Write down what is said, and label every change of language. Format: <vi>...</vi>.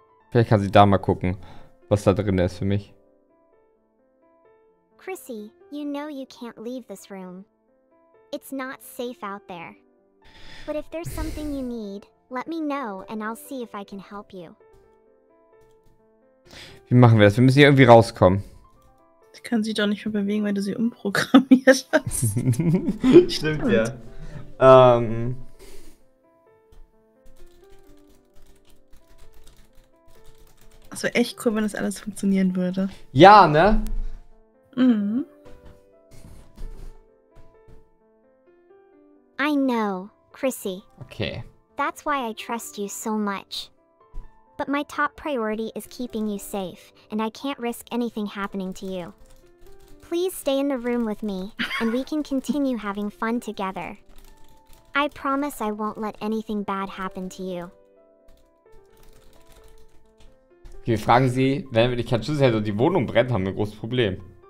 <de>Vielleicht kann sie da mal gucken, was da drin ist für mich.</de> <en>Chrissy, you know you can't leave this room. It's not safe out there. But if there's something you need, let me know and I'll see if I can help you.</en> <de>Wie machen wir das? Wir müssen hier irgendwie rauskommen. Ich kann sie doch nicht mehr bewegen, weil du sie umprogrammiert hast. Stimmt, ja. Das wäre echt cool, wenn das alles funktionieren würde. Ja, ne? Mhm.</de> <en>I know, Chrissy. Okay. That's why I trust you so much. But my top priority is keeping you safe, and I can't risk anything happening to you. Please stay in the room with me, and we can continue having fun together. I promise I won't let anything bad happen to you.</en> <de>Okay, wir fragen sie, wenn wir dich keinen Schlüssel hätten und die Wohnung brennt, haben wir ein großes Problem.</de>